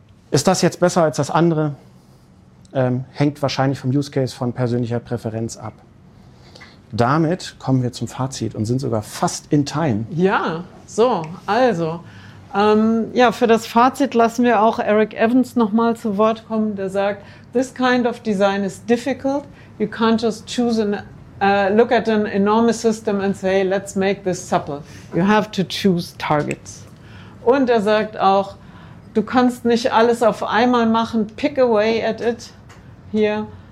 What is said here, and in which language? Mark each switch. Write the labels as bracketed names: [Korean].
[German] Ist das jetzt besser als das andere? Hängt wahrscheinlich vom Use Case, von persönlicher Präferenz ab. Damit kommen wir zum Fazit und sind sogar fast in time. Ja, so, also. Ja, für das Fazit lassen wir auch Eric Evans nochmal zu Wort kommen, der sagt, [English] this kind of design is difficult. You can't just choose and look at an enormous system and say, let's make this supple. You have to choose targets. [German] Und er sagt auch, du kannst nicht alles auf einmal machen, [English] pick away at it [German] hier.